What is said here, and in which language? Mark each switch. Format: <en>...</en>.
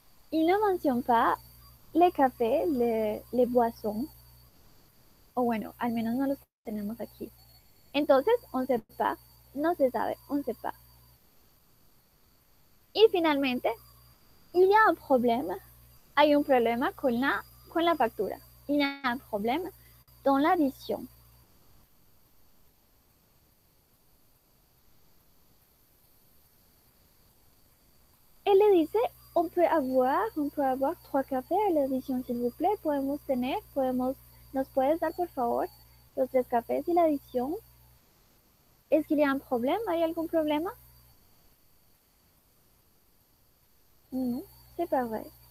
<fr>Ils ne mentionnent pas les cafés, les boissons.</fr> <es>O bueno, al menos no los tenemos aquí. Entonces,</es> <fr>on ne sait pas,</fr> <es>no se sabe,</es> <fr>on ne sait pas.</fr> <es>Y finalmente,</es> <fr>il y a un problème.</fr> <es>Hay un problema con la factura.</es> <fr>Il y a un problème dans la visión.</fr> <es>Él le dice,</es> <fr>on peut avoir trois cafés a la adición, s'il vous plaît.</fr> <es>Podemos tener, podemos, nos puedes dar, por favor, los tres cafés y la adición. ¿Es que le dan problema? ¿Hay algún problema?</es> <fr>No, c'est pas vrai.</fr>